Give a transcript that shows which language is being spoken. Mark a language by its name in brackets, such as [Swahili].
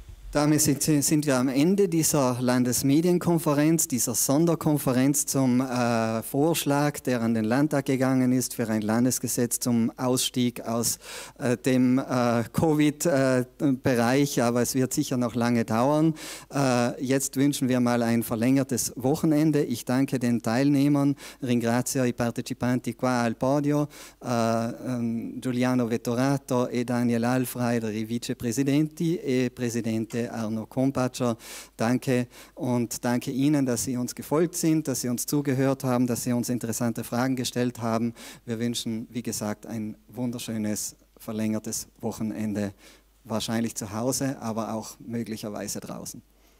[German] Damit sind wir am Ende dieser Landesmedienkonferenz, dieser Sonderkonferenz zum Vorschlag, der an den Landtag gegangen ist für ein Landesgesetz zum Ausstieg aus dem Covid-Bereich. Aber es wird sicher noch lange dauern. Jetzt wünschen wir mal ein verlängertes Wochenende. Ich danke den Teilnehmern. [Italian] Ringrazio i partecipanti qua al podio. [German] Giuliano Vettorato e Daniel Alfreider, [Italian] i vicepresidenti e presidente [German] Arno Kompatscher, danke und danke Ihnen, dass Sie uns gefolgt sind, dass Sie uns zugehört haben, dass Sie uns interessante Fragen gestellt haben. Wir wünschen, wie gesagt, ein wunderschönes, verlängertes Wochenende, wahrscheinlich zu Hause, aber auch möglicherweise draußen.